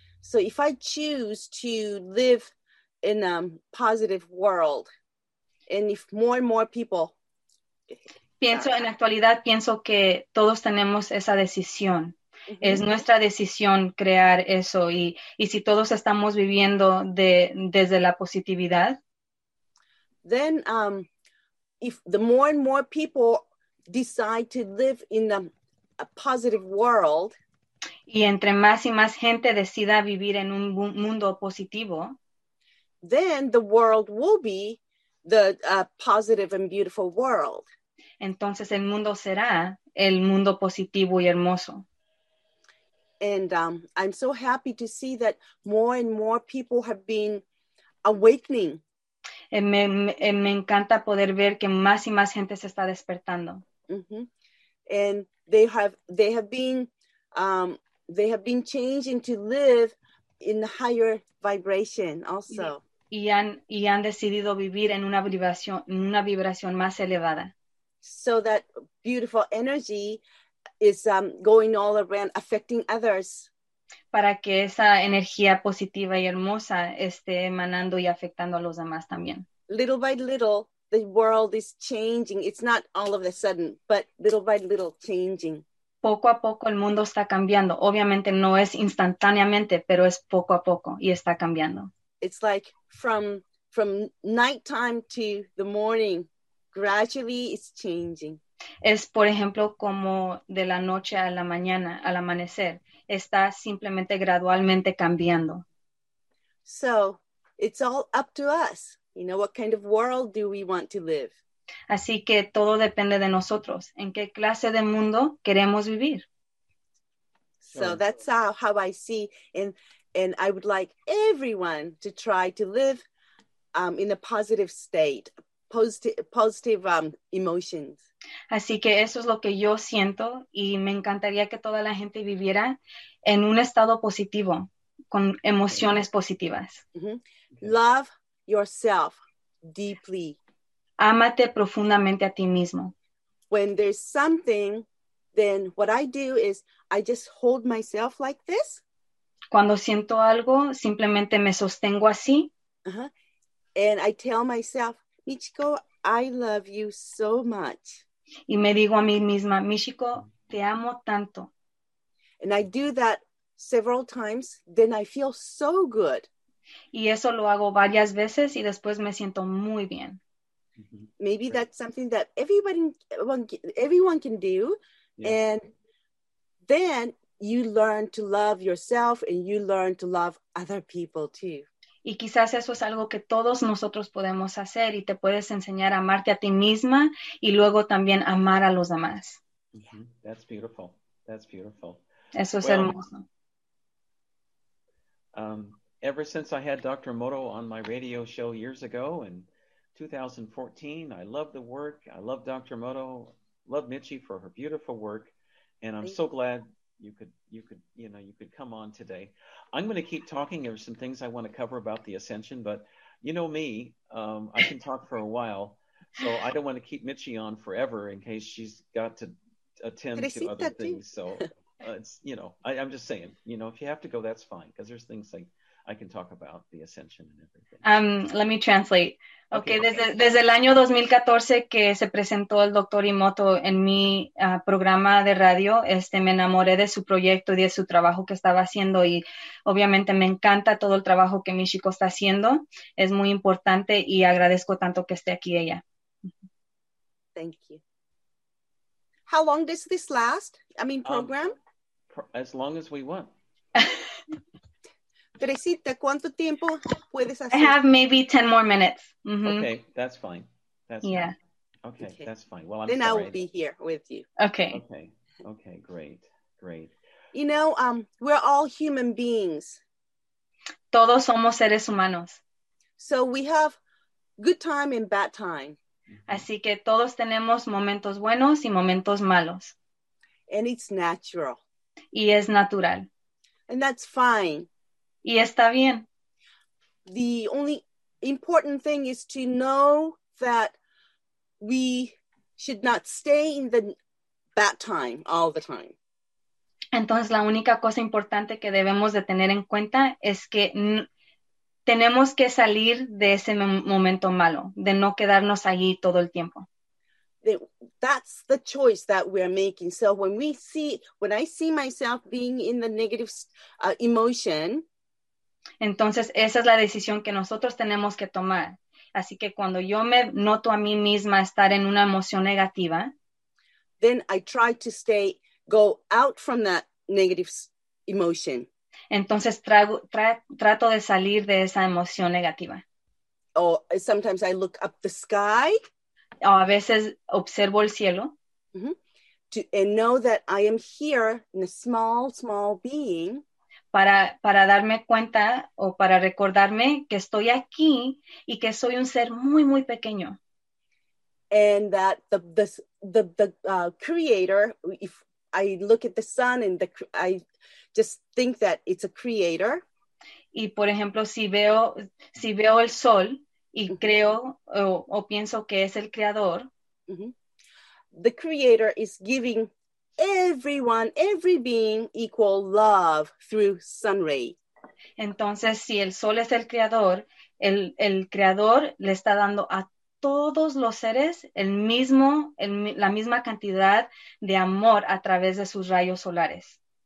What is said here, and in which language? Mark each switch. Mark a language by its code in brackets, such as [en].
[en] So if I choose to live in a positive world, and if more and more people. [es] Pienso en actualidad, pienso que todos tenemos esa decisión. Mm-hmm. Es nuestra decisión crear eso. Y si todos estamos viviendo desde la positividad. [en] Then, if the more and more people decide to live in a positive world, [es] y entre más y más gente decida vivir en un mundo positivo, [en] then the world will be the positive and beautiful world. [es] Entonces el mundo será el mundo positivo y hermoso. [en] And I'm so happy to see that more and more people have been awakening. [es] Me encanta poder ver que más y más gente se está despertando. Mm-hmm. [en] And they have been changing to live in the higher vibration also. [es] Y han decidido vivir en una vibración más elevada. [en] So that beautiful energy is going all around, affecting others. [es] Para que esa energía positiva y hermosa esté emanando y afectando a los demás también. [en] Little by little, the world is changing. It's not all of a sudden, but little by little changing. [es] Poco a poco el mundo está cambiando. Obviamente no es instantáneamente, pero es poco a poco y está cambiando. [en] It's like from nighttime to the morning, gradually it's changing. [es] Es, por ejemplo, como de la noche a la mañana, al amanecer. Está simplemente gradualmente cambiando. [en] So, it's all up to us. You know, what kind of world do we want to live? [es] Así que todo depende de nosotros. ¿En qué clase de mundo queremos vivir? [en] So, that's how I see. And I would like everyone to try to live in a positive state. Positive emotions. [es] Así que eso es lo que yo siento y me encantaría que toda la gente viviera en un estado positivo con emociones positivas. [en] Mm-hmm. Love yourself deeply. [es] Ámate profundamente a ti mismo. [en] When there's something, then what I do is I just hold myself like this. [es] Cuando siento algo, simplemente me sostengo así. Uh-huh. [en] And I tell myself, Michiko, I love you so much. [es] Y me digo a mí misma, Michiko, te amo tanto. [en] And I do that several times, then I feel so good. [es] Y eso lo hago varias veces y después me siento muy bien. [en] Mm-hmm. Maybe that's something that everyone can do. Yeah. And then you learn to love yourself and you learn to love other people too. [es] Y quizás eso es algo que todos nosotros podemos hacer y te puedes enseñar a amarte a ti misma y luego también amar a los demás. [en] Mm-hmm. That's beautiful. That's beautiful. [es] Eso es hermoso. [en] Ever since I had Dr. Moto on my radio show years ago in 2014, I love the work. I love Dr. Moto. Love Michi for her beautiful work. And I'm so glad you could come on today. I'm going to keep talking. There's some things I want to cover about the Ascension, but you know me, I can talk for a while, so I don't want to keep Michi on forever in case she's got to attend to other things. So I'm just saying, you know, if you have to go, that's fine, because there's things like I can talk about the Ascension and everything. Let me translate. Okay. [es] Desde el año 2014 que se presentó el Dr. Imoto en mi programa de radio, me enamoré de su proyecto y de su trabajo que estaba haciendo y obviamente me encanta todo el trabajo que Michiko está haciendo. Es muy importante y agradezco tanto que esté aquí ella. [en] Thank you. How long does this last? Program? As long as we want. [es] Teresita, ¿cuánto tiempo puedes hacer? [en] I have maybe 10 more minutes. Mm-hmm. Okay, that's fine. Okay, that's fine. Well, I'm then sorry. I will be here with you. Okay. Okay, great. You know, we're all human beings. [es] Todos somos seres humanos. [en] So we have good time and bad time. Mm-hmm. [es] Así que todos tenemos momentos buenos y momentos malos. [en] And it's natural. [es] Y es natural. [en] And that's fine. [es] Y está bien. [en] The only important thing is to know that we should not stay in the bad time all the time. [es] Entonces, la única cosa importante que debemos de tener en cuenta es que tenemos que salir de ese momento malo, de no quedarnos allí todo el tiempo. [en] That's the choice that we're making. So when I see myself being in the negative emotion, [es] entonces, esa es la decisión que nosotros tenemos que tomar. Así que cuando yo me noto a mí misma estar en una emoción negativa, [en] then I try to stay, go out from that negative emotion. [es] Entonces, trato de salir de esa emoción negativa. [en] Sometimes I look up the sky. [es] A veces observo el cielo. Mm-hmm. [en] And know that I am here in a small, small being. [es] Para darme cuenta o para recordarme que estoy aquí y que soy un ser muy, muy pequeño. [en] And that the creator, if I look at the sun and I just think that it's a creator. [es] Y por ejemplo, si veo el sol y creo o pienso que es el creador. [en] Mm-hmm. The creator is giving everyone, every being equal love through sun ray. [es] Entonces, si el sol es el creador, el creador le está dando a todos los seres la misma cantidad de amor a través de sus rayos solares.